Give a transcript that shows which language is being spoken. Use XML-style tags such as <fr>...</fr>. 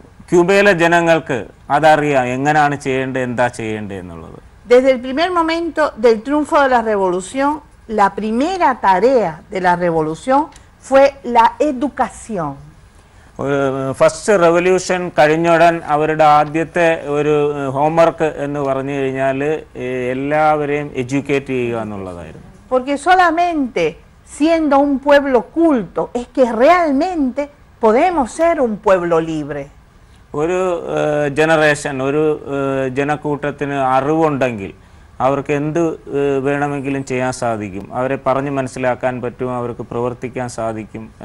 <ml>ക്യൂബയിലെ ജനങ്ങൾക്ക് അതറിയാം എങ്ങനെയാണ് ചെയ്യേണ്ടത് എന്താ ചെയ്യേണ്ടത് എന്നുള്ളത്.</ml> <es>Desde el primer momento del triunfo de la revolución, la primera tarea de la revolución fue la educación.</es> <ml>First revolution കഴിഞ്ഞുടൻ അവരുടെ ആദ്യത്തെ ഒരു ഹോംവർക്ക് എന്ന് പറഞ്ഞു കഴിഞ്ഞാൽ എല്ലാവരെയും എഡ്യൂക്കേറ്റ് ചെയ്യുക എന്നുള്ളതായിരുന്നു.</ml> <es>Porque solamente siendo un pueblo culto es que realmente podemos ser un pueblo libre.</es> <ml>ഒരു ജനറേഷൻ ഒരു ജനക്കൂട്ടത്തിന് അറിവുണ്ടെങ്കിൽ അവർക്ക് എന്ത് വേണമെങ്കിലും ചെയ്യാൻ സാധിക്കും അവരെ പറഞ്ഞു മനസ്സിലാക്കാൻ പറ്റും അവർക്ക് പ്രവർത്തിക്കാൻ സാധിക്കും</ml>